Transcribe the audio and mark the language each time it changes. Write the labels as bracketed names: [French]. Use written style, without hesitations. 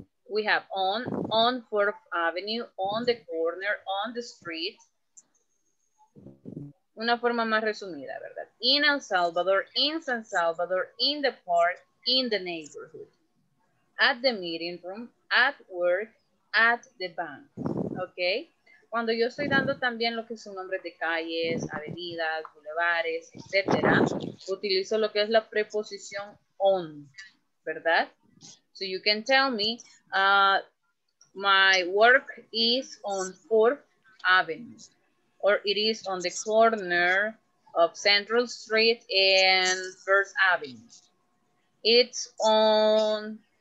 [English] We have on 4th Avenue, on the corner, on the street. [Spanish] Una forma más resumida, ¿verdad? [English] In El Salvador, in San Salvador, in the park, in the neighborhood. At the meeting room, at work, at the bank. ¿Ok? [Spanish] Cuando yo estoy dando también lo que son nombres de calles, avenidas, bulevares, etc., utilizo lo que es la preposición on, ¿verdad? [English] So you can tell me, my work is on 4th Avenue, or it is on the corner of Central Street and 1st Avenue. It's on